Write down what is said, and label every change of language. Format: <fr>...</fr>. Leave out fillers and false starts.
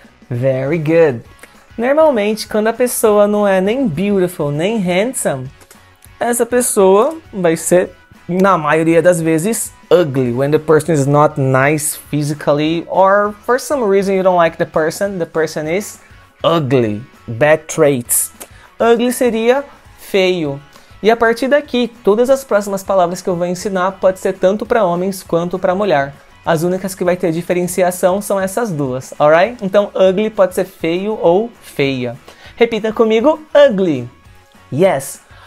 <en>Very good.</en> <pt>Normalmente, quando a pessoa não é nem beautiful nem handsome, essa pessoa vai ser, na maioria das vezes, ugly.</pt> <en>When the person is not nice physically or for some reason you don't like the person is ugly. Bad traits. Ugly</en> <pt>seria feio. E a partir daqui, todas as próximas palavras que eu vou ensinar pode ser tanto para homens quanto para mulher. As únicas que vai ter diferenciação são essas duas, alright? Então, ugly pode ser feio ou feia. Repita comigo, ugly. Yes.</pt>